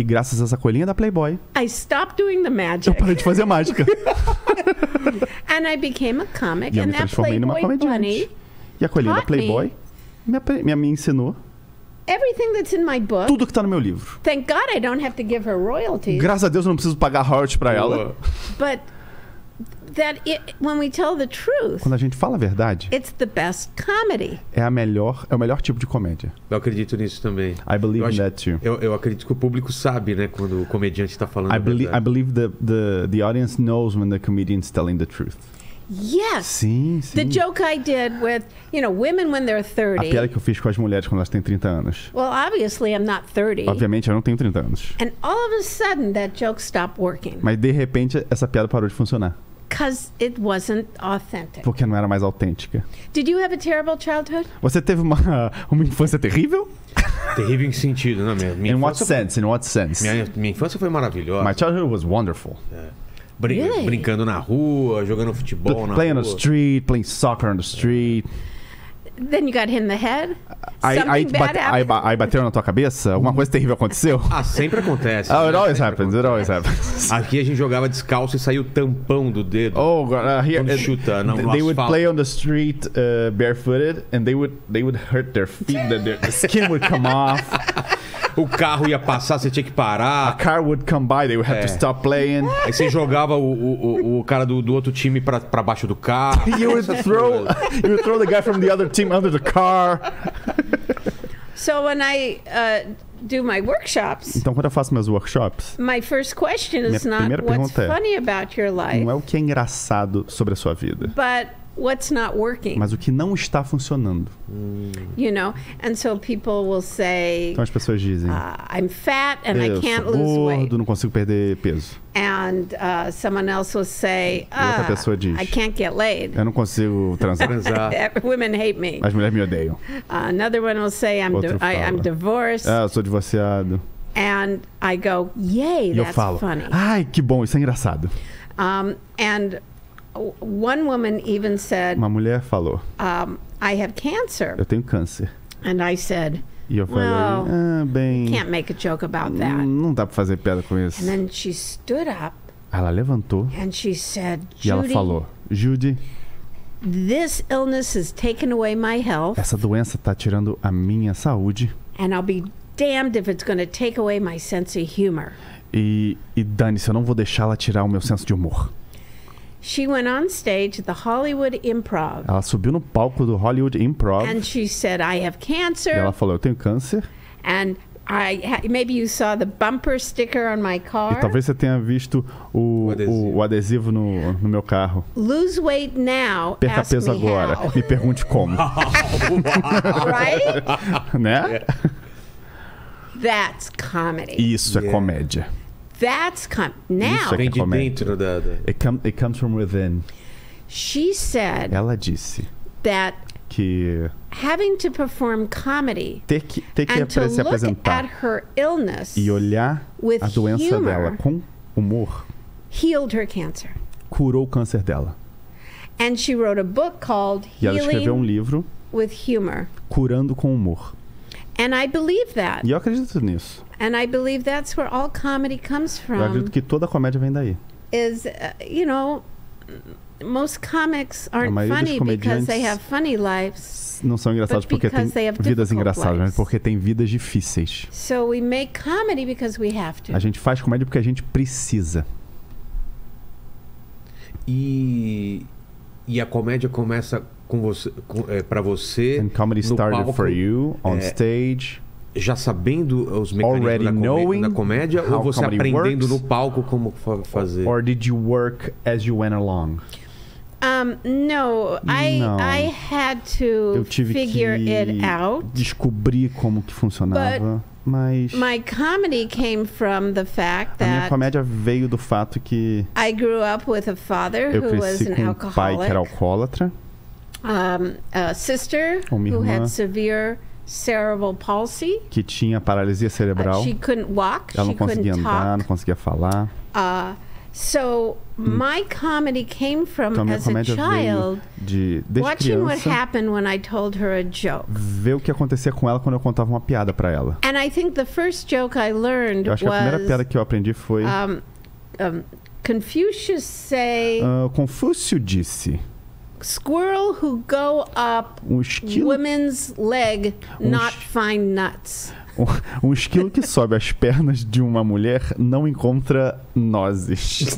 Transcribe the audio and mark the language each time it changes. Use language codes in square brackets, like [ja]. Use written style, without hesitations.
[pt] e graças a essa coelhinha da Playboy, [en] I stopped doing the magic. [pt] Eu parei de fazer a mágica. [en] And I became a comic. [pt] E [en] and [pt] eu me transformei numa comediante. E a coelhinha da Playboy me ensinou. [en] Everything that's in my book. [pt] Tudo que tá no meu livro. [en] Thank God I don't have to give her royalties. [pt] Graças a Deus eu não preciso pagar royalties para ela. [en] But that it, when we tell the truth. [pt] Quando a gente fala a verdade. [en] It's the best comedy. [pt] É a melhor, é o melhor tipo de comédia. Eu acredito nisso também. [en] I believe in that too. [pt] Eu acredito que o público sabe, né, quando o comediante tá falando a verdade. [en] I believe the audience knows when the comedian's telling the truth. Yes. [pt] Sim, sim. [en] The joke I did with, you know, women when they're 30. [pt] A piada que eu fiz com as mulheres quando elas têm 30 anos. [en] Well, obviously I'm not 30. [pt] Obviamente eu não tenho 30 anos. [en] And all of a sudden that joke stopped working. [pt] Mas de repente essa piada parou de funcionar. [en] Because it wasn't authentic. [pt] Porque não era mais autêntica. [en] Did you have a terrible childhood? [pt] Você teve uma infância terrível? Terrível em que sentido, não é mesmo? [en] In what sense? In what sense? [pt] Minha infância foi maravilhosa. [en] My childhood was wonderful. Yeah. Really? [pt] Brincando na rua, jogando futebol na [en] playing [pt] rua. [en] Playing on the street, playing soccer on the street. Then you got hit in the head? [pt] Aí bateram na tua cabeça? Alguma coisa terrível aconteceu? Ah, sempre acontece. [en] Oh, it always happens, it always happens. [pt] Aqui a gente jogava descalço e saiu tampão do dedo. [en] Oh, God, [pt] quando chuta, não, [en] they would play on the street barefooted and they would hurt their feet, then their skin would come off. [pt] O carro ia passar, você tinha que parar. [en] A car would come by, they would have to stop playing. [pt] Aí você jogava o cara do outro time pra baixo do carro. [en] You would throw the guy from the other team under the car. So when I do my workshops. [pt] Então quando eu faço meus workshops. [en] My first question is not what's funny about your life. [pt] Não é o que é engraçado sobre a sua vida. [en] But what's not working? [pt] Mas o que não está funcionando. [en] You know, and so people will say. [pt] Então as pessoas dizem. [en] I'm fat and I can't [pt] gordo, [en] lose weight. [pt] Eu sou gordo, não consigo perder peso. [en] And someone else will say. [pt] Outra pessoa diz. [en] I can't get laid. [pt] Eu não consigo transar. [en] Women hate me. [pt] As mulheres me odeiam. [en] Another one will say I'm divorced. [pt] Ah, eu sou divorciado. [en] And I go, yay, that's [pt] falo, [en] funny. [pt] Ai, que bom, isso é engraçado. [en] And one woman even said, [pt] uma mulher falou, [en] I have cancer. [pt] Eu tenho câncer. [en] And I said, [pt] e eu falei, [en] well, [pt] bem, [en] you can't make a joke about that. [pt] Não dá pra fazer piada com isso. [en] And then she stood up. [pt] Ela levantou. [en] And she said, Judy, [pt] e ela falou, Judy, [en] this illness has taken away my health. [pt] Essa doença tá tirando a minha saúde. [en] And I'll be damned if it's going to take away my sense of humor. [pt] E dane-se, eu não vou deixar ela tirar o meu senso de humor. [en] She went on stage at the Hollywood Improv. [pt] Ela subiu no palco do Hollywood Improv. [en] And she said, I have cancer. [pt] E ela falou, eu tenho câncer. [en] And maybe you saw the bumper sticker on my car. [pt] E talvez você tenha visto o adesivo no meu carro. [en] Lose weight now. [pt] Perca [en] ask [pt] peso [en] me [pt] agora. [en] How. [pt] Me pergunte como. [en] Right? [pt] Né? [en] That's comedy. [pt] Isso yeah. É comédia. [en] That's now. [pt] Vem de dentro da. [en] It comes from within. She said. [pt] Ela disse. [en] That. [pt] Que. [en] Having to perform comedy. [pt] Ter que apresentar. [en] At her illness. [pt] E olhar [en] with [pt] a doença humor, dela com humor. [en] Healed her cancer. [pt] Curou o câncer dela. [en] And she wrote a book called. [pt] E ela escreveu um livro. [en] With humor. [pt] Curando com humor. [en] And I believe that. [pt] E eu acredito nisso. [en] And I believe that's where all comedy comes from. [pt] Eu acredito que toda comédia vem daí. [en] Is, you know, most comics aren't funny because they have funny lives. [pt] Não são engraçados porque têm vidas engraçadas, mas porque têm vidas difíceis. [en] So we make comedy because we have to. [pt] A gente faz comédia porque a gente precisa. E a comédia começa com você, para você. [en] And comedy started palco, for you on stage. [pt] Já sabendo os mecanismos da comédia, ou você aprendendo works, no palco como fazer? [en] Or did you work as you went along? No, I had to figure it out. [pt] Descobri como que funcionava. Mas [en] my comedy came from the fact that [pt] a minha comédia veio do fato que [en] I grew up with a father who was an alcoholic. [pt] Eu cresci com um pai que era alcoólatra. [en] A sister who had severe cerebral palsy. [pt] Que tinha paralisia cerebral. [en] She couldn't walk. [pt] Ela não conseguia andar, não conseguia falar. [en] So my comedy came from as a child watching what happened when I told her a joke. [pt] Ver o que acontecia com ela quando eu contava uma piada para ela. [en] And I think the first joke I learned [pt] was, eu acho que a primeira piada que eu aprendi foi [en] Confucius say, [pt] Confúcio disse, [en] squirrel who go up woman's leg not find nuts. [pt] Um esquilo que sobe as pernas de uma mulher não encontra nozes.